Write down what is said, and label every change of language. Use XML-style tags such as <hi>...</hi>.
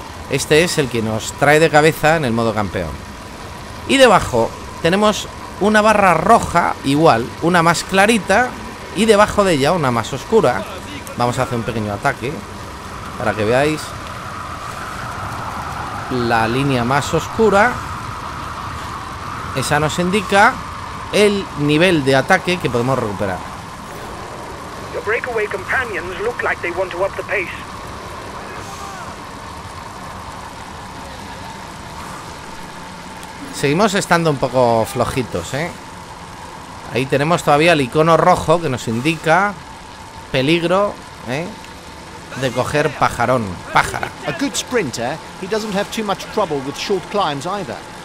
<es>Este es el que nos trae de cabeza en el modo campeón. Y debajo tenemos una barra roja igual, una más clarita, y debajo de ella una más oscura. Vamos a hacer un pequeño ataque para que veáis la línea más oscura. Esa nos indica el nivel de ataque que podemos recuperar.</es> <en>Breakaway companions look like they want to up the pace.</en> <es>Seguimos estando un poco flojitos, ¿eh? Ahí tenemos todavía el icono rojo que nos indica peligro, de coger pajarón, pájara.</es> <en>A good sprinter, he doesn't have too much trouble with short climbs either.</en>